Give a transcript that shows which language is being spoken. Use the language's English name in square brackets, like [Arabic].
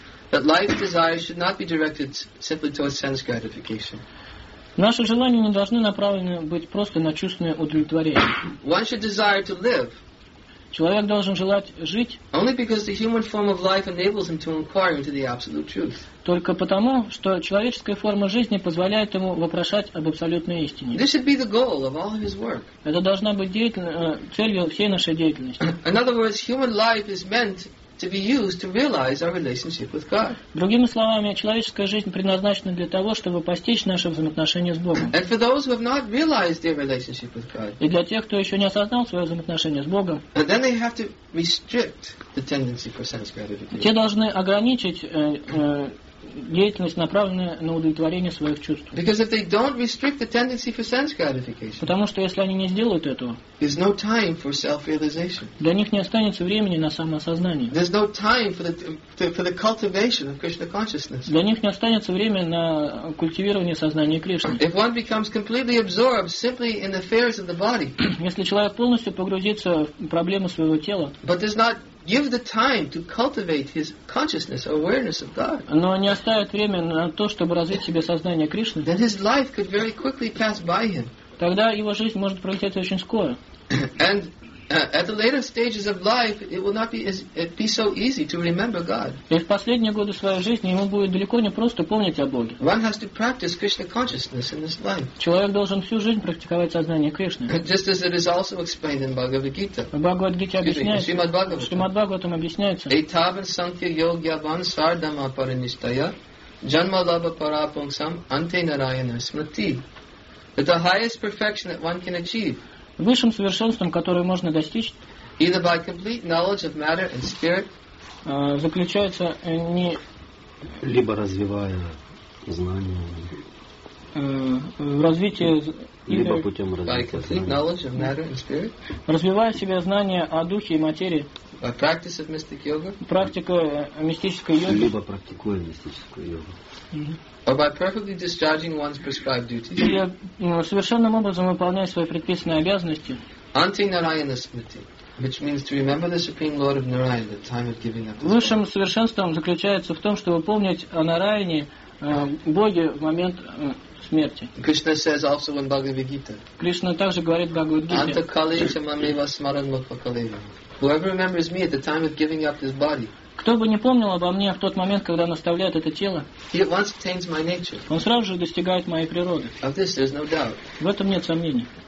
[English] That life's desire should not be directed simply towards sense gratification. [Russian] Наши желания не должны направлены быть просто на чувственное удовлетворение. [English] One should desire to live. [Russian] Человек должен желать жить. [English] Only because the human form of life enables him to inquire into the absolute truth. [Russian] Только потому, что человеческая форма жизни позволяет ему вопрошать об абсолютной истине. [English] This should be the goal of all of his work. [Russian] Это должна быть целью всей нашей деятельности. [English] In other words, human life is meant to be used to realize our relationship with God. [Russian] Другими словами, человеческая жизнь предназначена для того, чтобы постичь наши взаимоотношения с Богом. [English] And for those who have not realized their relationship with God. [Russian] И для тех, кто еще не осознал свое взаимоотношение с Богом. [English] And then they have to restrict the tendency for sense gratification. [Russian] Те должны ограничить деятельность, направленная на удовлетворение своих чувств. [English] Because if they don't restrict the tendency for sense gratification. [Russian] Потому что если они не сделают этого, [English] there's no time for self-realization. [Russian] Для них не останется времени на самоосознание. [English] There's no time for the cultivation of Krishna consciousness. [Russian] Для них не останется время на культивирование сознания Кришны. [English] If one becomes completely absorbed simply in the affairs of the body. [Russian] Если человек полностью погрузится в проблемы своего тела. [English] But there's not give the time to cultivate his consciousness or awareness of God. [Russian] Но не оставит время на то, чтобы развить себе сознание Кришны. [English] Then his life could very quickly pass by him. [Russian] Тогда его жизнь может пролететь очень скоро. [English] And at the later stages of life, it will not be so easy to remember God. [Russian] И в последние годы своей жизни ему будет далеко не просто помнить о Боге. [English] One has to practice Krishna consciousness in this life. [Russian] Человек должен всю жизнь практиковать сознание Кришны. [English] Just as it is also explained in Bhagavad Gita. [Russian] В Бхагавад-гите объясняется. Шримад-Бхагаватам объясняется. [Sanskrit] Этавен санкхья йогья ван сардама паринистая джанма лаба парапунсам анте нараяна смрити. [English] That the highest perfection that one can achieve. [Russian] Высшим совершенством, которое можно достичь, заключается не либо развивая знания, развитие либо путем развития знания, развивая себе знания о духе и материи, практика мистической йоги, либо практикуя мистическую йогу. [English] Or by perfectly discharging one's prescribed duties. [Russian] Или совершенным образом выполняя свои предписанные обязанности. [Sanskrit] Anti Narayana Smriti, [English] which means to remember the Supreme Lord of Narayana at the time of giving up. [Russian] Высшим совершенством заключается в том, чтобы помнить о Нараяне, Боге, в момент смерти. [English] Krishna says also in Bhagavad Gita. [Russian] Krishna также говорит в Бхагавад Гите. [Sanskrit] Anta kalecha mameva smaranmukha kalena. [English] Whoever remembers me at the time of giving up this body. [Russian] Кто бы не помнил обо мне в тот момент, когда он оставляет это тело, он сразу же достигает моей природы. В этом нет сомнений.